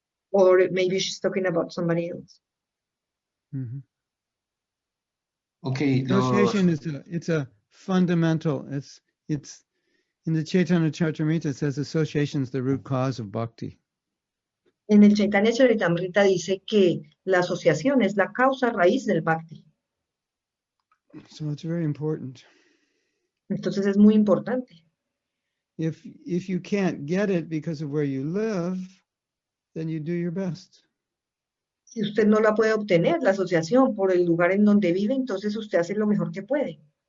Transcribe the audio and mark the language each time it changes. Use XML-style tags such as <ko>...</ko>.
<en>Or maybe she's talking about somebody else. Mm-hmm. Okay. Association is a fundamental. It's in the Chaitanya Charitamrita, it says association is the root cause of bhakti.</en> <es>En el Chaitanya Charitamrita dice que la asociación es la causa raíz del bhakti.</es> <en>So it's very important.</en> <es>Entonces es muy importante.</es> <en>If you can't get it because of where you live, then you do your best.</en> <es>Si usted no la puede obtener, la asociación, por el lugar en donde vive, entonces usted hace lo mejor que puede.</es>